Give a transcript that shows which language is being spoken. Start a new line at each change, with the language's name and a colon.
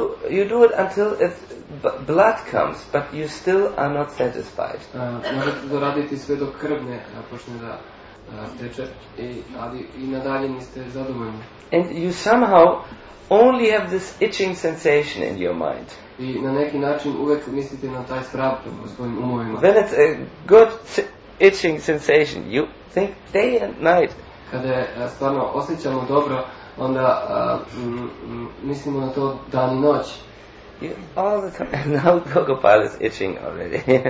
English: You do it until it blood comes, but you still are not satisfied.
Serbian: Možete to raditi sve dok krv ne počne da teče, ali i nadalje niste zadovoljni.
English: And you somehow only have this itching sensation in your mind.
Serbian: I na neki način uvek mislite na taj strab u svojim umovima.
English: When it's a good itching sensation, you think day and night.
Serbian: Kada stvarno osjećamo dobro, onda mislimo na to dan i noć.
English: You, all the time, and now Gogopala is itching already.